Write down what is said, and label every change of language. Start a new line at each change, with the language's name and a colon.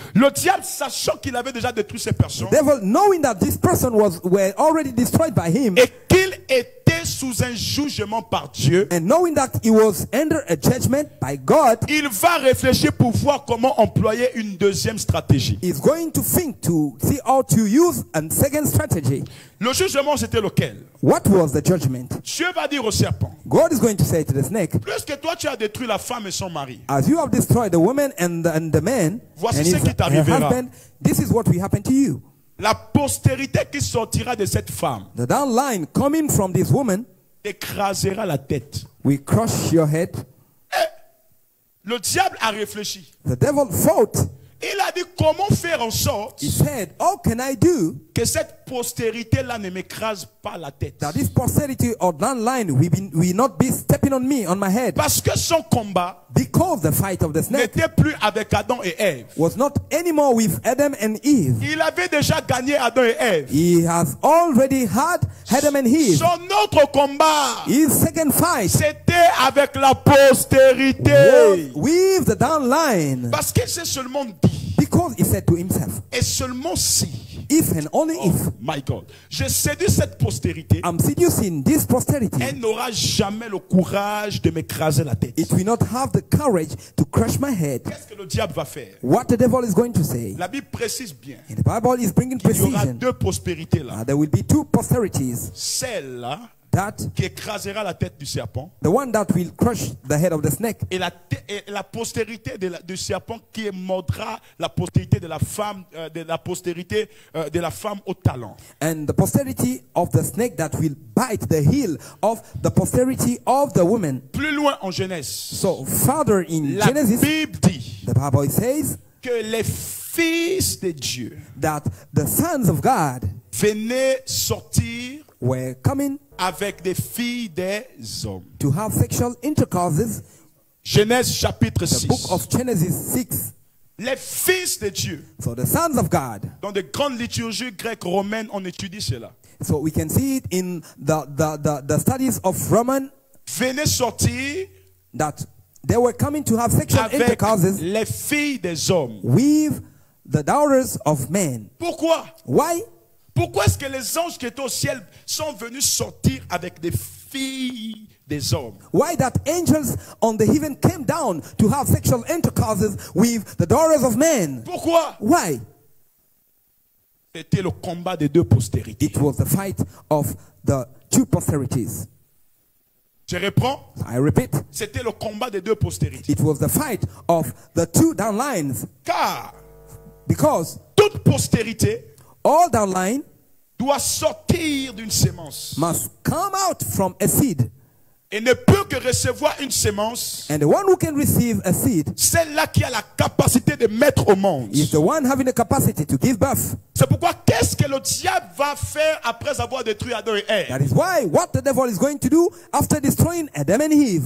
French: Le diable, sachant qu'il avait déjà détruit ces personnes.
English: Devil, knowing that this person was were already destroyed by him.
French: Et qu'il était sous un jugement par Dieu.
English: And knowing that he was under a judgment by God.
French: Il va réfléchir pour voir comment employer une deuxième stratégie.
English: He's going to think to see how to use a second strategy.
French: Le jugement, c'était lequel?
English: What was the judgment?
French: Dieu va dire au serpent.
English: God is going to say to the snake.
French: Plus que toi, tu as détruit la femme et son mari.
English: As you have destroyed the woman and the man.
French: Voici
English: and
French: ce qui t'arrivera.
English: Husband, this is what will happen to you.
French: La postérité qui sortira de cette femme.
English: The downline coming from this woman.
French: Écrasera la tête.
English: Will crush your head.
French: Et le diable a réfléchi.
English: The devil thought.
French: Il a dit comment faire en sorte.
English: He said, how can I do
French: que cette postérité là ne m'écrase pas la tête.
English: That this posterity or that line will not be stepping on me on my head.
French: Parce que son combat.
English: Because the fight of the snake.
French: N'était plus avec Adam et Eve.
English: Was not anymore with Adam and Eve.
French: Il avait déjà gagné Adam et Eve.
English: He has already had Adam and Eve.
French: Son autre combat.
English: His second fight.
French: C'était avec la postérité.
English: With the down line.
French: Parce qu'il s'est seulement dit.
English: Because he said to himself.
French: Et seulement si.
English: If and only oh, if. My God.
French: Je séduis cette postérité.
English: I'm seducing this posterity.
French: Elle n'aura jamais le courage de m'écraser la tête.
English: It will not have the courage to crush my head.
French: Qu'est-ce que le diable va faire?
English: What the devil is going to say?
French: La Bible précise bien.
English: And the Bible is bringing precision.
French: Il y aura deux postérités là.
English: There will be two posterities.
French: Celle-là.
English: That
French: qui écrasera la tête du serpent.
English: The one that will crush the head of the snake.
French: Et la postérité de du serpent qui mordra la postérité de la femme de la postérité de la femme au talon.
English: And the posterity of the snake that will bite the heel of the posterity of the woman.
French: Plus loin en Genèse.
English: So further in
French: la
English: Genesis.
French: La Bible dit.
English: The Bible says
French: que les fils de Dieu.
English: That the sons of God.
French: Venaient sortir.
English: Were coming
French: avec des filles des hommes.
English: To have sexual intercourse.
French: Genèse chapitre 6.
English: The book of Genesis 6.
French: Les fils de Dieu.
English: So the sons of God.
French: Dans des grandes liturgies grecques romaines, on étudie cela.
English: So we can see it in the studies of Roman.
French: Venaient sortir.
English: That they were coming to have sexual intercourse.
French: Les filles des hommes.
English: With the daughters of men.
French: Pourquoi?
English: Why?
French: Pourquoi est-ce que les anges qui étaient au ciel sont venus sortir avec des filles des hommes?
English: Why that angels on the heaven came down to have sexual intercourses with the daughters of men?
French: Pourquoi?
English: Why?
French: C'était le combat des deux postérités.
English: It was the fight of the two posterities.
French: Je reprends.
English: I repeat.
French: C'était le combat des deux postérités.
English: It was the fight of the two downlines.
French: Car,
English: because
French: toute postérité.
English: All down line
French: doit sortir d'une semence.
English: Must come out from a seed.
French: et ne peut que recevoir une semence,
English: and the one who can receive a seed,
French: c'est là qui a la capacité de mettre au monde,
English: is the one having the capacity to give birth.
French: C'est pourquoi qu'est-ce que le diable va faire après avoir détruit Adam et Ève?
English: That is why what the devil is going to do after destroying Adam and Eve.